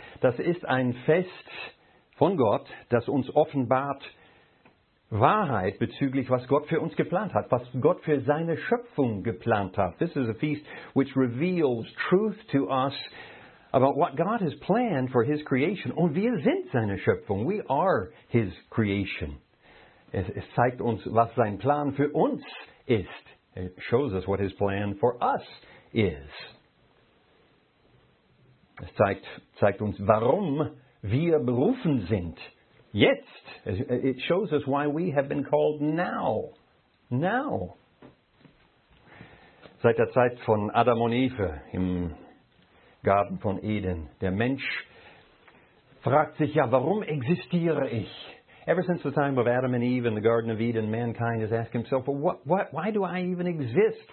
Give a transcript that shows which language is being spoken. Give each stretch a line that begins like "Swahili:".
German: Das ist ein Fest von Gott, das uns offenbart Wahrheit bezüglich, was Gott für uns geplant hat, was Gott für seine Schöpfung geplant hat.
English: This is a feast which reveals truth to us about what God has planned for his creation.
German: Und wir sind seine Schöpfung.
English: We are his creation.
German: Es zeigt uns, was sein Plan für uns ist.
English: It shows us what his plan for us is.
German: Es zeigt uns, warum wir berufen sind. Jetzt.
English: It shows us why we have been called now. Now.
German: Seit der Zeit von Adam und Eva im Garten von Eden. Der Mensch fragt sich ja, warum existiere ich?
English: Ever since the time of Adam and Eve in the Garden of Eden, mankind has asked himself, well, why do I even exist?